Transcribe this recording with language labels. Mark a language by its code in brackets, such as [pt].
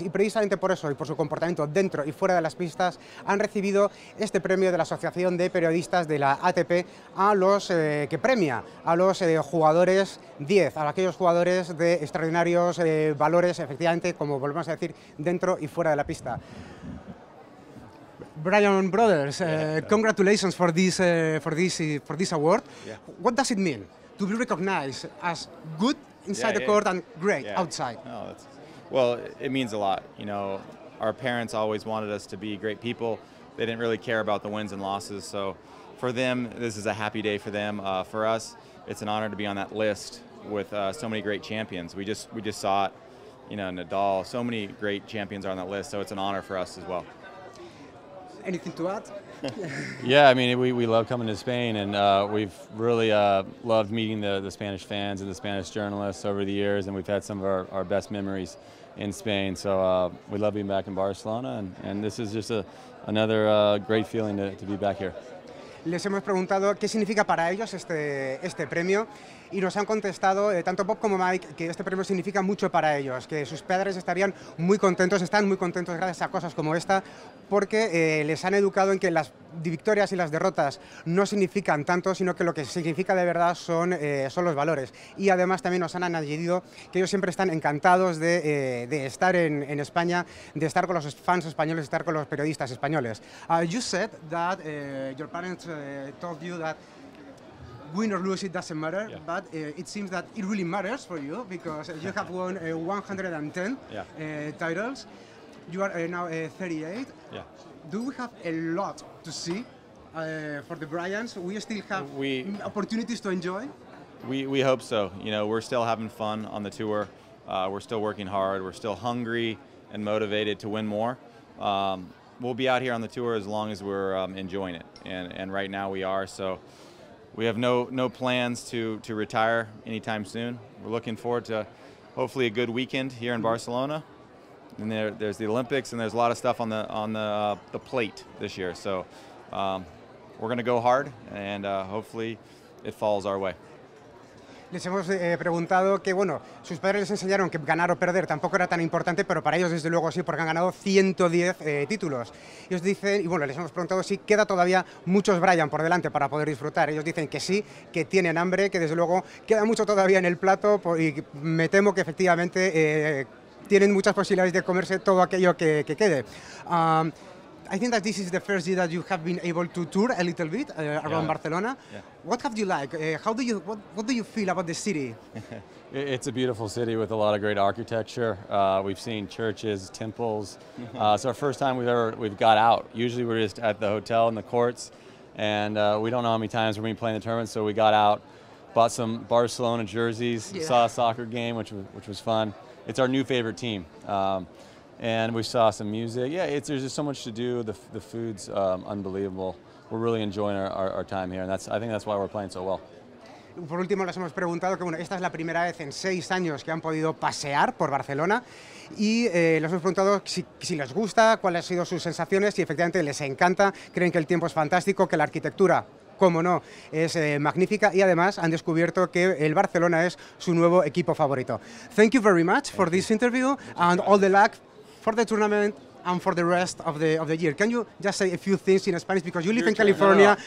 [es] Y precisamente por eso y por su comportamiento dentro y fuera de las pistas han recibido este premio de la Asociación de Periodistas de la ATP a los que premia a los jugadores 10, a aquellos jugadores de extraordinarios valores, efectivamente, como volvemos a decir, dentro y fuera de la pista. [en] Brian Brothers, congratulations for this award. Yeah. What does it mean to be recognized as good inside the court and great outside? No, well, it means a lot. You know, our parents always wanted us to be great people. They didn't really care about the wins and losses. So for them, this is a happy day for them. For us, it's an honor to be on that list with so many great champions. We just saw it, you know, Nadal. So many great champions are on that list. So it's an honor for us as well. Anything to add? Yeah, I mean, we love coming to Spain, and we've really loved meeting the Spanish fans and the Spanish journalists over the years, and we've had some of our best memories in Spain. So we love being back in Barcelona, and this is just another great feeling to be back here. [es] Les hemos preguntado qué significa para ellos este premio y nos han contestado, tanto Bob como Mike, que este premio significa mucho para ellos, que sus padres estarían muy contentos, están muy contentos gracias a cosas como esta, porque les han educado en que las victorias y las derrotas no significan tanto, sino que lo que significa de verdad son los valores. Y además también nos han añadido que ellos siempre están encantados de estar en España, de estar con los fans españoles, de estar con los periodistas españoles. [en] You said that your parents told you that win or lose, it doesn't matter, yeah. But it seems that it really matters for you because you have won 110 titles. You are now 38. Yeah. Do we have a lot to see for the Bryans? We still have opportunities to enjoy? We hope so. You know, we're still having fun on the tour. We're still working hard. We're still hungry and motivated to win more. We'll be out here on the tour as long as we're enjoying it. And right now we are. So we have no plans to retire anytime soon. We're looking forward to hopefully a good weekend here in Barcelona. And there's the Olympics, and there's a lot of stuff on the plate this year. So we're going to go hard, and hopefully it falls our way. [es] Les hemos preguntado que, bueno, sus padres les enseñaron que ganar o perder tampoco era tan importante, pero para ellos desde luego sí, porque han ganado 110 títulos. Ellos dicen, y bueno, les hemos preguntado si queda todavía muchos Brian por delante para poder disfrutar. Ellos dicen que sí, que tienen hambre, que desde luego queda mucho todavía en el plato, y me temo que efectivamente tienen muchas posibilidades de comerse todo aquello que quede. [en] I think that this is the first year that you have been able to tour a little bit around Barcelona. Yeah. What have you like? What do you feel about the city? It's a beautiful city with a lot of great architecture. We've seen churches, temples. It's our first time we've got out. Usually we're just at the hotel and the courts, and we don't know how many times we're going to be playing the tournament. So we got out, bought some Barcelona jerseys, saw a soccer game, which was fun. It's our new favorite team. And we saw some music. Yeah, there's just so much to do. The food's unbelievable. We're really enjoying our time here, and I think that's why we're playing so well. [es] Por último, les hemos preguntado que, bueno, esta es la primera vez en 6 años que han podido pasear por Barcelona, y les hemos preguntado si les gusta, cuáles han sido sus sensaciones, si efectivamente les encanta, creen que el tiempo es fantástico, que la arquitectura, como no, es magnífica, y además han descubierto que el Barcelona es su nuevo equipo favorito. [en] Thank you very much for this interview and all the luck for the tournament and for the rest of the year. Can you just say a few things in Spanish, because you live in California?